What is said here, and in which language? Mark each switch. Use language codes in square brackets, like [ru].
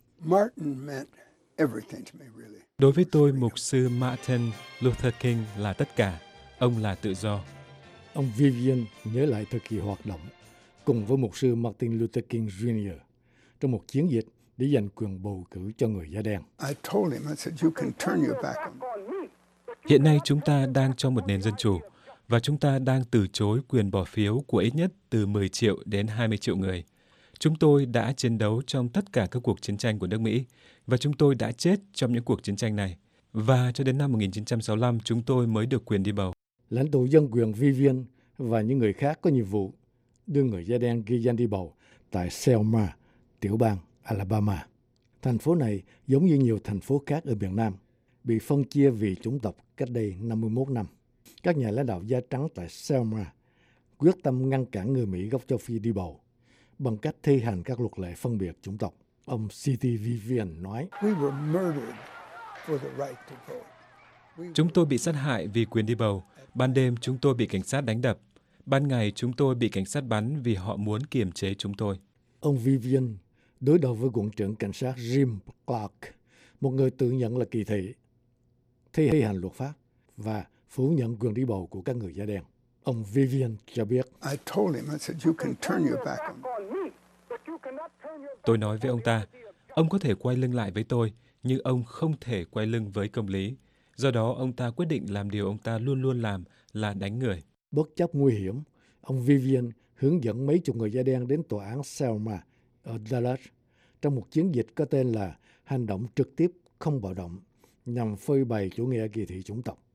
[en] Martin meant everything to me, really. [vi] Đối với tôi, mục sư Martin Luther King là tất cả. Ông là tự do. Ông Vivian nhớ lại thời kỳ hoạt động cùng với mục sư Martin Luther King Jr. trong một chiến dịch để giành quyền bầu cử cho người da đen. [en] I told him, I said, you can turn your back on me. [vi] Hiện nay chúng ta đang trong một nền dân chủ và chúng ta đang từ chối quyền bỏ phiếu của ít nhất từ 10 triệu đến 20 triệu người. Chúng tôi đã chiến đấu trong tất cả các cuộc chiến tranh của nước Mỹ và chúng tôi đã chết trong những cuộc chiến tranh này. Và cho đến năm 1965, chúng tôi mới được quyền đi bầu. Lãnh tụ dân quyền Vivian và những người khác có nhiệm vụ đưa người da đen ghi danh đi bầu tại Selma, tiểu bang Alabama. Thành phố này giống như nhiều thành phố khác ở miền Nam, bị phân chia vì chủng tộc cách đây 51 năm. Các nhà lãnh đạo da trắng tại Selma quyết tâm ngăn cản người Mỹ gốc châu Phi đi bầu bằng cách thi hành các luật lệ phân biệt chủng tộc. Ông C.T. Vivian nói, [en] We were murdered for the right to vote. [vi] Chúng tôi bị sát hại vì quyền đi bầu. Ban đêm chúng tôi bị cảnh sát đánh đập. Ban ngày chúng tôi bị cảnh sát bắn vì họ muốn kiềm chế chúng tôi. Ông Vivian đối đầu với quận trưởng cảnh sát Jim Clark, một người tự nhận là kỳ thị, thi hành luật pháp và phủ nhận quyền đi bầu của các người da đen. Ông Vivian cho biết, [en] I told him, I said, you can turn your back on me. [vi] Tôi nói với ông ta, ông có thể quay lưng lại với tôi, nhưng ông không thể quay lưng với công lý. Do đó, ông ta quyết định làm điều ông ta luôn luôn làm là đánh người. Bất chấp nguy hiểm, ông Vivian hướng dẫn mấy chục người da đen đến tòa án Selma ở Dallas trong một chiến dịch có tên là Hành động trực tiếp không bạo động nhằm phơi bày chủ nghĩa kỳ thị chủng tộc.